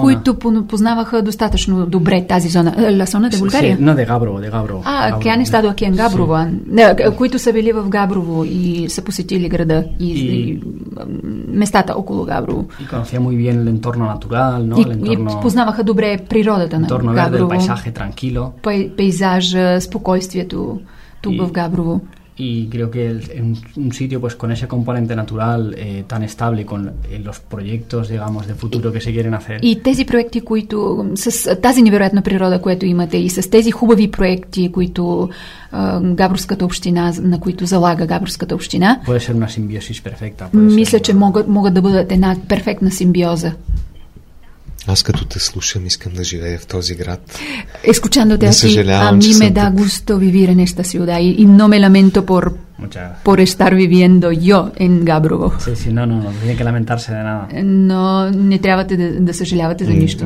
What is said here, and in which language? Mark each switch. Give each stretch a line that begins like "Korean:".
Bulgarian: които познаваха достатъчно добре тази зона.
Spanish: La zona de Bulgaria? Sí, no, de Габрово, de Габрово. А, que han estado aquí en Габрово.
Bulgarian: Sí. Които са били в Габрово и са посетили града и, и, и местата около Габрово.
Spanish: Y conocía muy bien el entorno natural, ¿no?
Bulgarian: И,
Spanish: el entorno,
Bulgarian: и познаваха добре природата на
Spanish: entorno
Bulgarian: Габрово.
Spanish: Entorno verde, el paisaje tranquilo.
Bulgarian: Пейзажа, спокойствието тук в Габрово.
Spanish: Y creo que en un sitio pues con ese componente natural tan estable con los proyectos digamos de futuro que se quieren hacer.
Bulgarian: И тези проекти, които с тази невероятна природа, която имате, и с тези хубави проекти, които Габровската община, на които залага Габровската община.
Spanish: Puede ser una simbiosis perfecta.
Bulgarian: Мисля, че могат, могат да бъдат една перфектна симбиоза. Аз като те слушам, искам да живея в този град.
Spanish: Escuchando te así, a mí me da gusto vivir en esta ciudad y no me lamento por por estar viviendo yo en Габрово. Sí, sí, no, no, no tiene que lamentarse de nada.
Bulgarian: No, не трябва да, да съжалявате за нищо.